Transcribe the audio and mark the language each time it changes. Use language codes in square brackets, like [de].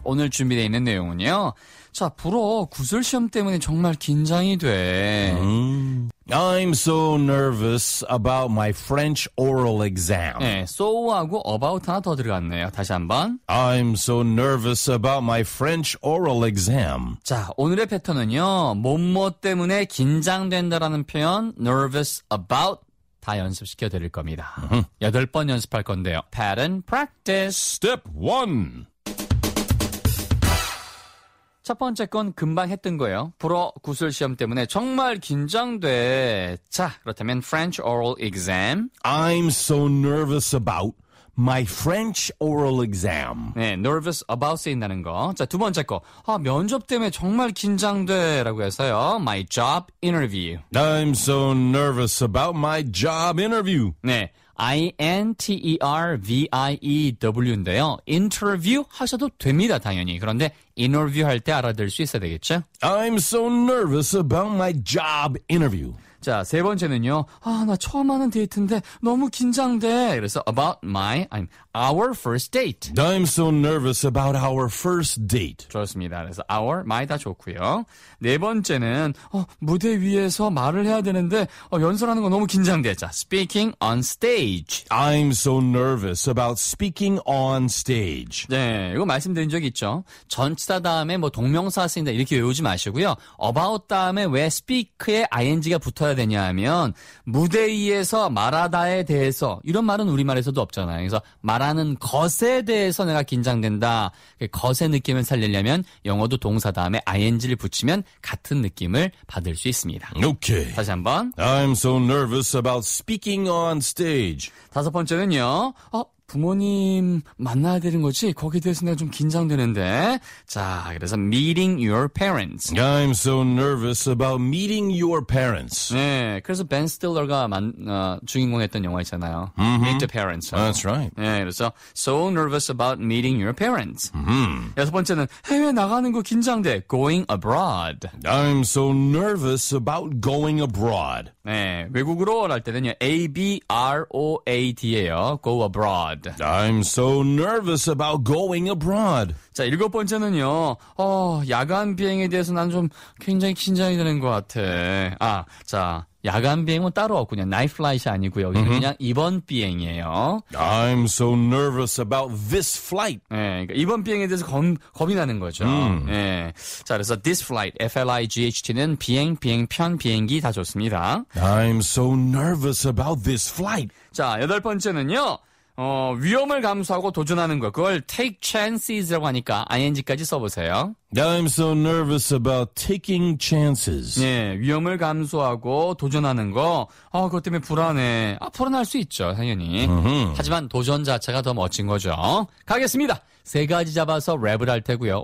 [ko] 오늘 준비되어 있는 내용은요. 자, 불어 구술 시험 때문에 정말 긴장이 돼. [en] I'm so nervous about my French oral exam. [ko] 네, so하고 about 하나 더 들어갔네요. 다시 한번. [en] I'm so nervous about my French oral exam. [ko] 자, 오늘의 패턴은요. 뭐뭐 때문에 긴장된다라는 표현, nervous about 다 연습시켜 드릴 겁니다. 여덟 번 연습할 건데요. [en] Pattern practice. Step 1. [ko] 첫 번째 건 금방 했던 거예요. 불어 구술 시험 때문에 정말 긴장돼. 자, 그렇다면 [en] French oral exam. I'm so nervous about my French oral exam. [ko] 네, nervous about 쓰인다는 거. 자, 두 번째 거. 아, 면접 때문에 정말 긴장돼라고 해서요. [en] My job interview. I'm so nervous about my job interview. [ko] 네. I-N-T-E-R-V-I-E-W인데요. Interview 하셔도 됩니다, 당연히. 그런데 interview 할 때 알아들 수 있어야 되겠죠? [en] I'm so nervous about my job interview. [ko] 자, 세 번째는요. 아, 나 처음 하는 데이트인데 너무 긴장돼. 그래서 [en] about my, I'm our first date. I'm so nervous about our first date. [ko] 좋습니다. 그래서 our, my 다 좋고요. 네 번째는 무대 위에서 말을 해야 되는데 연설하는 거 너무 긴장돼. 자, [en] speaking on stage. I'm so nervous about speaking on stage. [ko] 네, 이거 말씀드린 적 있죠. 전치사 다음에 뭐 동명사 쓰인다 이렇게 외우지 마시고요. about 다음에 왜 speak에 ing가 붙어 해야 되냐 하면 무대 위에서 말하다에 대해서 이런 말은 우리말에서도 없잖아요. 그래서 말하는 것에 대해서 내가 긴장된다. 것의 느낌을 살리려면 영어도 동사 다음에 ing를 붙이면 같은 느낌을 받을 수 있습니다. 오케이. 다시 한번. [en] I'm so nervous about speaking on stage. [ko] 다섯 번째는요. 부모님 만나야 되는 거지? 거기에 대해서 내가 좀 긴장되는데. 자, 그래서 [en] meeting your parents. I'm so nervous about meeting your parents. [ko] 네, 그래서 벤 스틸러가 주인공 했던 영화 있잖아요. [en] Meet the parents. That's right. [ko] 네, 그래서 [en] so nervous about meeting your parents. [ko] 여섯 번째는 해외 나가는 거 긴장돼. [en] Going abroad. I'm so nervous about going abroad. [ko] 네, 외국으로 할 때는요. A-B-R-O-A-D예요. [en] Go abroad. I'm so nervous about going abroad. [ko] 자, 일곱 번째는요. 야간 비행에 대해서 난 좀 굉장히 긴장이 되는 것 같아. 아, 자, 야간 비행은 따로 없군요. Night flight이 아니고요. 여기는 그냥 이번 비행이에요. [en] I'm so nervous about this flight. [ko] 네, 그러니까 이번 비행에 대해서 겁이 나는 거죠. 네. 자, 그래서 this flight, F-L-I-G-H-T는 비행, 비행편, 비행기 다 좋습니다. [en] I'm so nervous about this flight. [ko] 자, 여덟 번째는요. 위험을 감수하고 도전하는 것. 그걸 take chances라고 하니까 ing까지 써보세요. [en] I'm so nervous about taking chances. [ko] 네, 위험을 감수하고 도전하는 거. 그것 때문에 불안해. 불안할 수 있죠, 당연히. 하지만 도전 자체가 더 멋진 거죠. 가겠습니다. 세 가지 잡아서 랩을 할 테고요.